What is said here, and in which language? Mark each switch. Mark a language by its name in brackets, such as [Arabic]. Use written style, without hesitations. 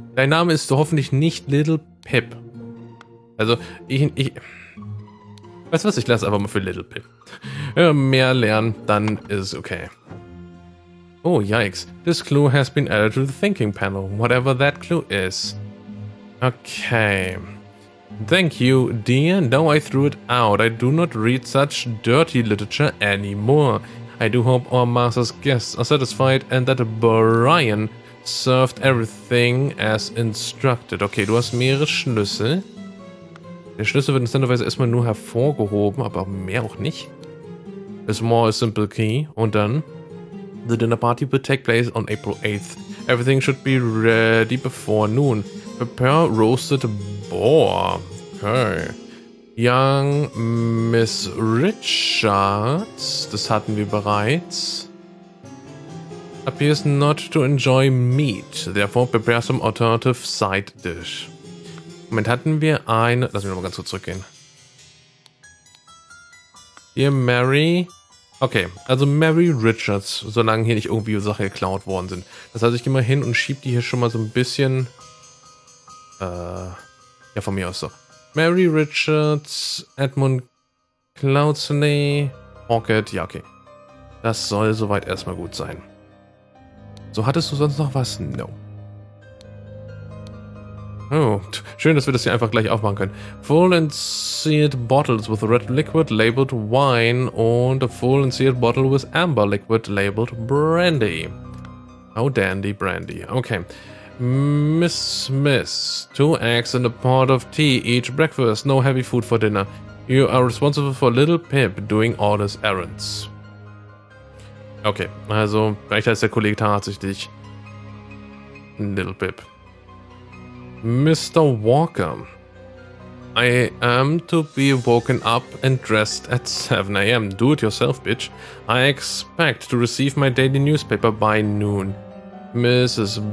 [German] Dein Name ist so hoffentlich nicht Little Pip. Also, ich... Weißt du was? Ich lasse einfach mal für Little Pip. Wenn wir mehr lernen, dann ist es okay. [English] Oh, yikes. This clue has been added to the thinking panel. Whatever that clue is. Okay. Thank you, dear. No, I threw it out. I do not read such dirty literature anymore. I do hope our master's guests are satisfied and that Brian served everything as instructed. [German] Okay, du hast mehrere Schlüssel. Der Schlüssel wird interessanterweise erstmal nur hervorgehoben, aber mehr auch nicht. [English] A small simple key. [German] Und dann? [English] The dinner party will take place on April 8th. Everything should be ready before noon. Prepare roasted boar. Okay. Young Miss Richards, [German] das hatten wir bereits, [English] appears not to enjoy meat. Therefore, prepare some alternative side dish. [German] Moment, hatten wir ein... Lass mich nochmal ganz kurz zurückgehen. Dear Mary... Okay, also Mary Richards, solange hier nicht irgendwie Sachen geklaut worden sind. Das heißt, ich gehe mal hin und schieb die hier schon mal so ein bisschen... Ja, von mir aus so. Mary Richards, Edmund Cloudsley, Pocket, ja, okay. Das soll soweit erstmal gut sein. So, hattest du sonst noch was? No. Oh, schön, dass wir das hier einfach gleich aufmachen können. [English] Full and sealed bottles with red liquid labeled wine und a full and sealed bottle with amber liquid labeled brandy. Oh, dandy brandy. Okay. Miss Smith, two eggs and a pot of tea each breakfast. No heavy food for dinner. You are responsible for little Pip doing all his errands. [German] Okay, also, vielleicht heißt der Kollege tatsächlich Little Pip. [English] Mr. Walker. I am to be woken up and dressed at 7 a.m. Do it yourself, bitch. I expect to receive my daily newspaper by noon. Mrs.